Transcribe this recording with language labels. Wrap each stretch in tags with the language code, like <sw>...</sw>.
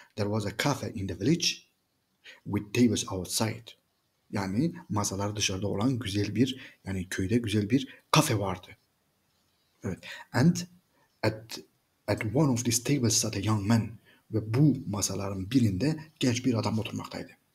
<en>There was a cafe in the village with tables outside.</en> <tr>Yani masalar dışarıda olan güzel bir, yani köyde güzel bir kafe vardı. Evet.</tr> <en>And at one of these tables sat a young man.</en> <tr>Ve bu masaların birinde genç bir adam oturmaktaydı.</tr>